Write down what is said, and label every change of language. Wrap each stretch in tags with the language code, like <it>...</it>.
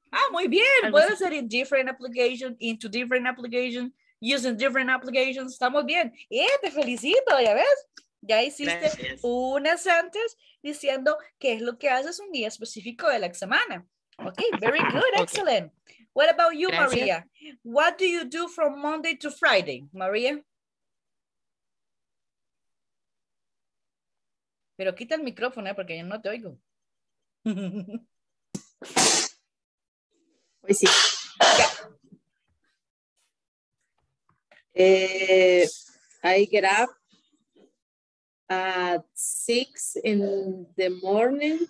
<es>Ah, muy bien. Puede ser</es> <en>in different application, into different application, using different applications.</en> <es>Estamos bien. Te felicito, ya ves. Ya hiciste unas sentences diciendo qué es lo que haces un día específico de la semana.</es> <en>Okay, very good. Excellent. Okay. What about you, gracias. Maria? What do you do from Monday to Friday, Maria?</en> <es>Pero quita el micrófono, porque yo no te oigo. Pues sí.</es> <en>I get up at 6 in the morning.</en>